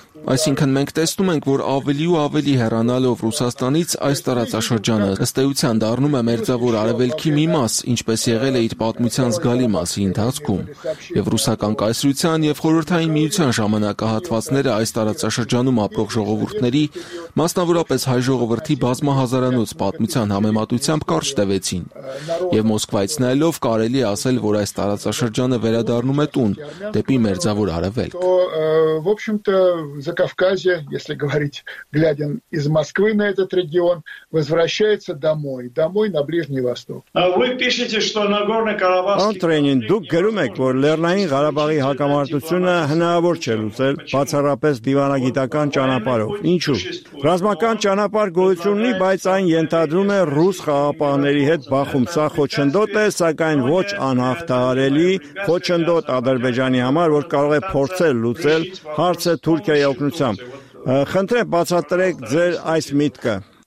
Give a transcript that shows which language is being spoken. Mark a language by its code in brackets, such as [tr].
[hy] Այսինքն մենք տեսնում ենք, որ ավելի ու ավելի հեռանալով Ռուսաստանից, այս տարածաշրջանը ըստ էության դառնում է Մերձավոր Արևելքի մի մաս, ինչպես եղել է իր պատմության զգալի մասի ընթացքում, եւ ռուսական կայսրության եւ խորհրդային միության ժամանակահատվածները այս տարածաշրջանում ապրող ժողովուրդների, մասնավորապես հայ ժողովրդի բազմահազարանոց պատմության համեմատությամբ կարճ տևեցին։ Եվ Մոսկվայից նայելով կարելի է ասել, որ այս տարածաշրջանը վերադառնում է տուն, դեպի Մերձավոր Արևելք։ [ru] Закавказье, если говорить, глядя из Москвы на этот регион, возвращается домой, домой на Ближний Восток. А вы пишете, что Нагорный Карабах. [hy] Антренин, դուք գրում եք, որ Լեռնային Ղարաբաղի հակամարտությունը հնարավոր չէ լուծել բացառապես դիվանագիտական ճանապարհով։ Ինչու՞։ Ռազմական ճանապարհ գոյություն ունի, բայց այն ենթադրում է ռուս խաղապահների հետ բախում, սա խոչընդոտ է, սակայն ոչ անհաղթահարելի խոչընդոտ Ադրբեջանի համար, որ կարող է փորձել լուծել հարցը Թուրքիայի հետ օգնությամբ։ Խնդրեմ, բացատրեք ձեր այս միտքը։